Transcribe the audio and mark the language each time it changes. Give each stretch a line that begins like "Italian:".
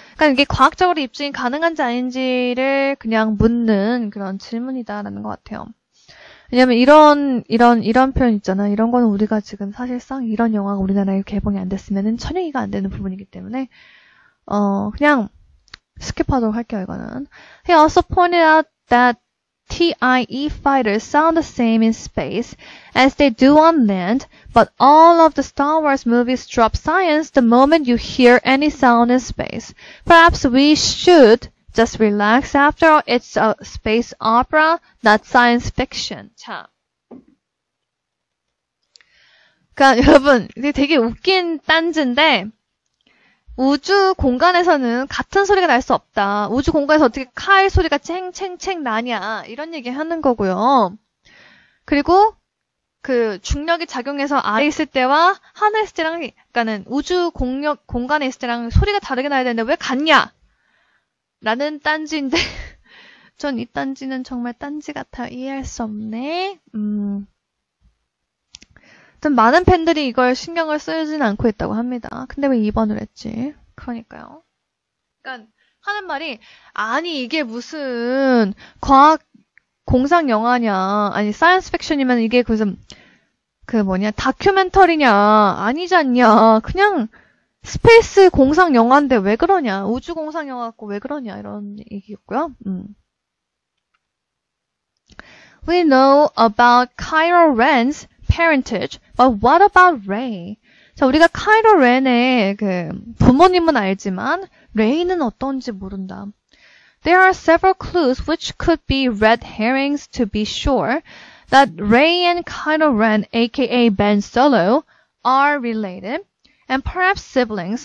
Korean: 그러니까 이게 과학적으로 입증이 가능한지 아닌지를 그냥 묻는 그런 질문이다라는 것 같아요. 왜냐면 이런 표현 있잖아. 이런 거는 우리가 지금 사실상 이런 영화가 우리나라에 개봉이 안 됐으면은 천행이가 안 되는 부분이기 때문에, 그냥 스킵하도록 할게요, 이거는.
English: He also pointed out that TIE fighters sound the same in space as they do on land, but all of the Star Wars movies drop science the moment you hear any sound in space. Perhaps we should just relax. After all, it's a space opera, not science fiction.
Korean: 자, 그러니까 여러분, 이게 되게 웃긴 딴지인데 우주 공간에서는 같은 소리가 날 수 없다. 우주 공간에서 어떻게 칼 소리가 챙챙챙 나냐. 이런 얘기 하는 거고요. 그리고 그 중력이 작용해서 아래 있을 때와 하늘에 있을 때랑, 그러니까는 우주 공력 공간에 있을 때랑 소리가 다르게 나야 되는데 왜 같냐? 라는 딴지인데 전 이 딴지는 정말 딴지 같아요. 이해할 수 없네. 좀 많은 팬들이 이걸 신경을 쓰진 않고 있다고 합니다. 근데 왜 2번을 했지? 그러니까요. 그러니까 하는 말이 아니 이게 무슨 과학 공상 영화냐, 아니 사이언스 픽션이면 이게 무슨 그 뭐냐 다큐멘터리냐, 아니잖냐, 그냥 스페이스 공상 영화인데 왜 그러냐, 우주 공상 영화 갖고 왜 그러냐 이런 얘기였고요.
English: We know about Kylo Ren's parentage, but what about Rey?
Korean: 자, 우리가 카이로 렌의 그 부모님은 알지만 레이는 어떤지 모른다.
English: There are several clues which could be red herrings to be sure that Rey and Kylo Ren, aka Ben Solo, are related and perhaps siblings.